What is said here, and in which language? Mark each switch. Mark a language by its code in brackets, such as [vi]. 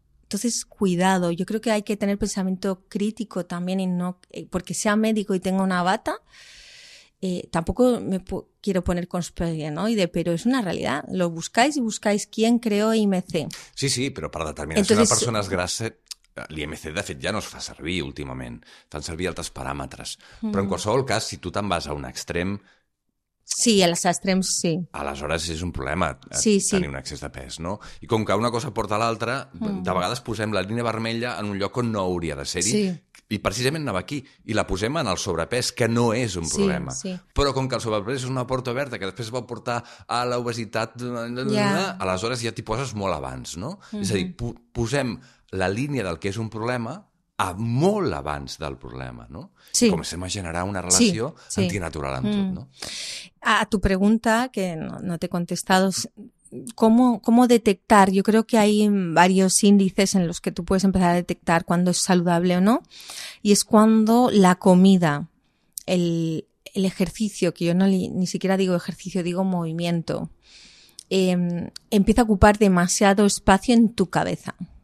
[es] Entonces, cuidado. Yo creo que hay que tener pensamiento crítico también. Y no, porque sea médico y tenga una bata, tampoco me quiero poner conspiranoide, pero es una realidad. Lo buscáis y buscáis quién creó IMC. Sí, sí, pero para determinar si una persona es grasa... [ca] L'IMC, de fet, ja no es fa servir últimament. Fan servir altres paràmetres. Mm. Però en qualsevol cas, si tu te'n vas a un extrem... Sí, a les extrems, sí. Aleshores és un problema tenir un excés de pes, no? I com que una cosa porta a l'altra, de vegades posem la línia vermella en un lloc on no hauria de ser-hi. Sí. I precisament anava aquí. I la posem en el sobrepès, que no és un problema. Sí, sí. Però com que el sobrepès és una porta oberta que després va portar a l'obesitat... Yeah. Aleshores ja t'hi poses molt abans, no? Mm-hmm. És a dir, posem la línia del que és un problema a molt abans del problema, no? Sí. Comencem a generar una relació sí, sí. antinatural amb tot, no? [es] A tu pregunta, que no t'he contestado, ¿cómo detectar? Yo creo que hay varios índices en los que tú puedes empezar a detectar cuando es saludable o no, y es cuando la comida, el ejercicio, que yo no ni siquiera digo ejercicio, digo movimiento, empieza a ocupar demasiado espacio en tu cabeza.